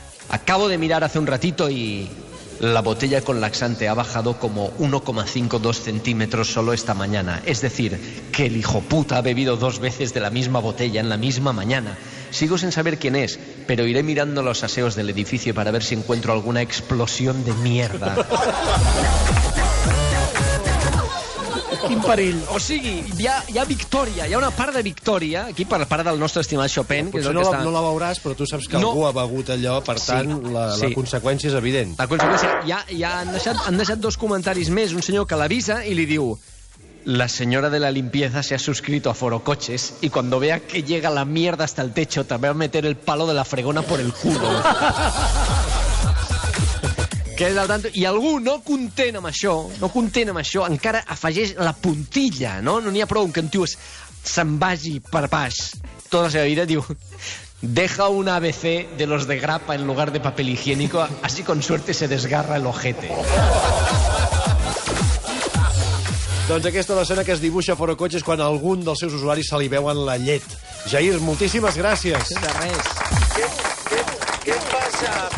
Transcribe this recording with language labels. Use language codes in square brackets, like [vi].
[es] Acabo de mirar hace un ratito y la botella con laxante ha bajado como 1,52 centímetros solo esta mañana. Es decir, que el hijo puta ha bebido dos veces de la misma botella en la misma mañana. Sigo sin saber quién es, pero iré mirando los aseos del edificio para ver si encuentro alguna explosión de mierda. [ca] Quin perill. O sigui, hi ha victòria, hi ha una part de victòria aquí per la part del nostre estimat Chopin. Potser que és que està... no la veuràs, però tu saps que no. Algú ha begut allò, per tant, la conseqüència és evident. La conseqüència... Ja han deixat dos comentaris més. Un senyor que l'avisa i li diu... [es] La señora de la limpieza se ha suscrito a Forocoches y cuando vea que llega la mierda hasta el techo te va a meter el palo de la fregona por el culo. Queda al tanto. [ca] I algú no content amb això, encara afegeix la puntilla, no? No n'hi ha prou que un tio se'n vagi per baix tota la seva vida, diu... [es] Deja un ABC de los de grapa en lugar de papel higiénico, así con suerte se desgarra el ojete. [ca] Doncs aquesta és l'escena que es dibuixa a Forocoches quan algun dels seus usuaris se li veuen la llet. Jair, moltíssimes gràcies. De res. Què passa?